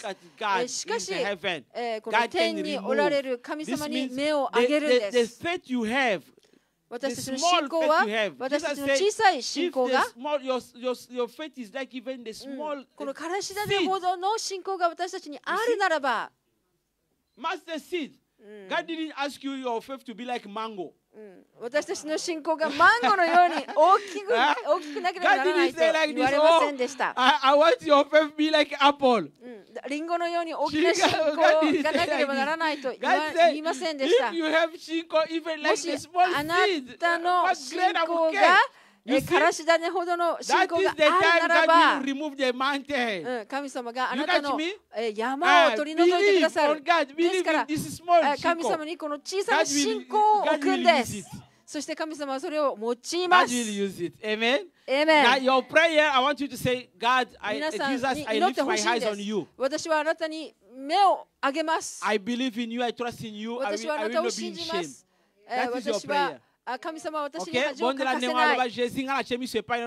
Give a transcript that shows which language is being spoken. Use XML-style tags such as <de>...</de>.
<ja>しかし、この天におられる神様に目を上げるんです。私たちの信仰は、私たちの小さい信仰が、このからし種ほどの信仰が私たちにあるならば、</ja> <en>Master seed. God didn't ask you your faith to be like mango.</en> <ja>私たちの信仰がマンゴーのように大きくなければならないと言われませんでした。</ja> <en>I want your faith be like apple.</en> <ja>リンゴのように大きな信仰がなければならないと言いませんでした。</ja> <en>If you have 信仰 even like the small seed,</en> <ja>あなたの信仰がからし種ほどの信仰があるならば、神様があなたの山を取り除いてくださる。ですから、神様にこの小さな信仰を置くんです。そして神様はそれを用います。</ja> <en>Amen. Amen. Now your prayer, I want you to say, God, Jesus, I lift my eyes on you.</en> <ja>私はあなたに目を上げます。</ja> <en>I believe in you. I trust in you.</en> <ja>私はあなたを信じます。</ja> <en>That is your prayer.</en> <ja>神様は私に恥をかかせない。</ja> <en>Okay.</en> <ja>神様は私に恥をかかせない。</ja>